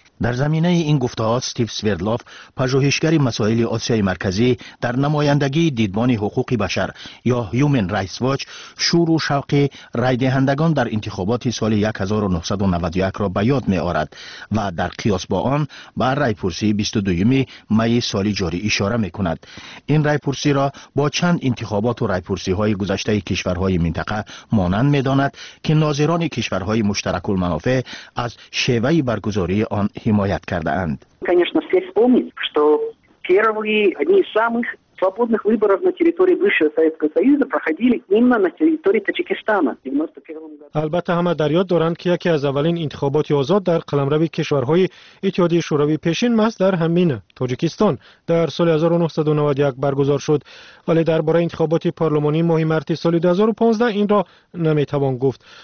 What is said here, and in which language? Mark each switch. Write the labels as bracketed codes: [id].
[fa] در زمینه این گفته‌ها استیو سویردلوف، پژوهشگر مسائل آسیای مرکزی در نمایندگی دیدبان حقوق بشر یا Human Rights Watch، شور و شوق رای دهندگان در انتخابات سال 1991 را به یاد می‌آورد و در قیاس با آن به رایپرسی 22 می سال جاری اشاره می‌کند. این رایپرسی را با چند انتخابات و رایپرسی‌های گذشته کشورهای منطقه مانند می‌داند که ناظران کشورهای مشترک المنافع از شیوه برگزاری آن حمایت کرده اند. [ru] Конечно, все вспомнить, что первые одни из самых свободных выборов на территории бывшего Советского Союза проходили именно на территории Таджикистана. [fa] البته همه در یاد دارند که یکی از اولین انتخابات آزاد در قلمرو کشورهای اتحادیه شوروی پیشین ماس در همین تاجیکستان در سال 1991 برگزار شد، ولی درباره انتخابات پارلمانی ماه مارس سال 2015 این را نمیتوان گفت.